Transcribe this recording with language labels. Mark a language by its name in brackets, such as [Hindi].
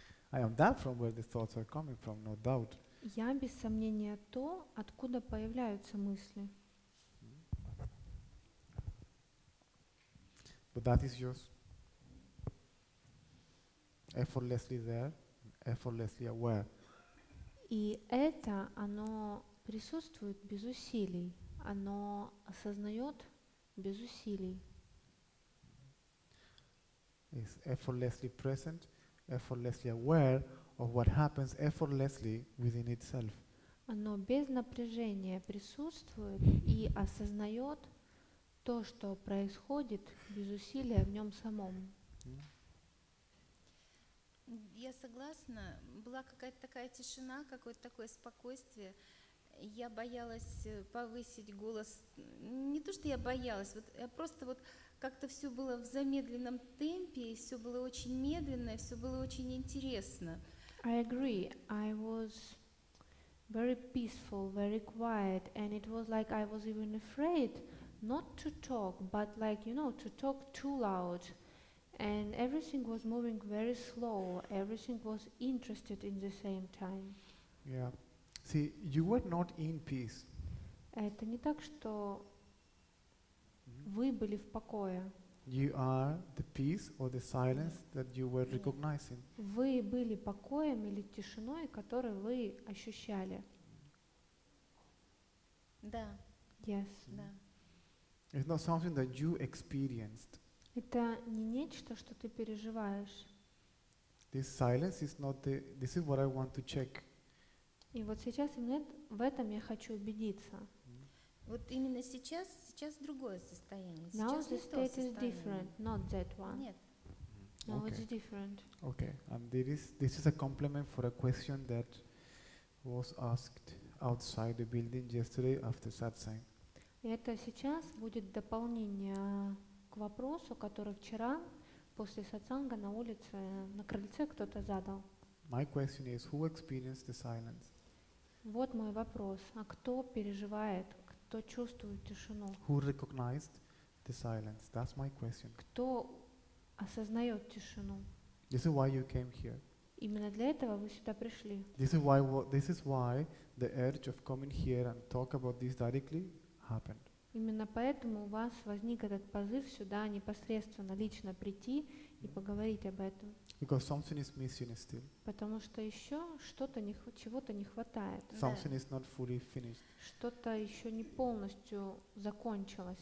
[English] I am that from where the thoughts are coming from, no doubt. [Russian] Я без сомнения то, откуда появляются мысли. [English] But that is just effortlessly there, effortlessly aware. [Russian] И это, оно присутствует без усилий, оно осознает без усилий. [English] It's effortlessly present, effortlessly aware of what happens effortlessly within itself. [Russian] Оно без напряжения присутствует и осознает то, что происходит без усилия в нем самом. Я согласна. Была какая-то такая тишина, какое-то такое спокойствие. Я боялась повысить голос. Не то, что я боялась, вот я просто вот как-то все было в замедленном темпе, и все было очень медленно, и все было очень интересно. [English] I agree. I was very peaceful, very quiet, and it was like I was even afraid. Not to talk, but like, you know, to talk too loud. And everything was moving very slow. Everything was interested in the same time. Yeah. See, you were not in peace. [Russian] Это не так, что вы были в покое. [English] You are the peace or the silence that you were recognizing. [Russian] Вы были покоем или тишиной, которую вы ощущали. Да. [English] Yes. [Russian] Да. [English] It's not something that you experienced. [Russian] Это не нечто, что ты переживаешь. [English] This silence is not the, this is what I want to check. [Russian] И вот сейчас именно в этом я хочу убедиться. Вот именно сейчас, сейчас другое состояние. [English] Now [Russian] сейчас [English] the state is different, not that one. [Russian] Нет. [English] Now okay. It's different. Okay, and this is a compliment for a question that was asked outside the building yesterday after satsang. [Russian] Это сейчас будет дополнение к вопросу, который вчера после сатсанга на улице, на крыльце кто-то задал. [English] My question is, who experienced the silence? [Russian] Вот мой вопрос. А кто переживает, кто чувствует тишину? [English] Who recognized the silence? That's my question. [Russian] Кто осознает тишину? [English] This is why you came here. [Russian] Именно для этого вы сюда пришли. [English] This is why the urge of coming here and talk about this directly happened. [Russian] Именно поэтому у вас возник этот позыв сюда непосредственно лично прийти и поговорить об этом. [English] Because something is missing still. [Russian] Потому что еще что-то не чего-то не хватает. [English] Something is not fully finished. [Russian] Что-то еще не полностью закончилось,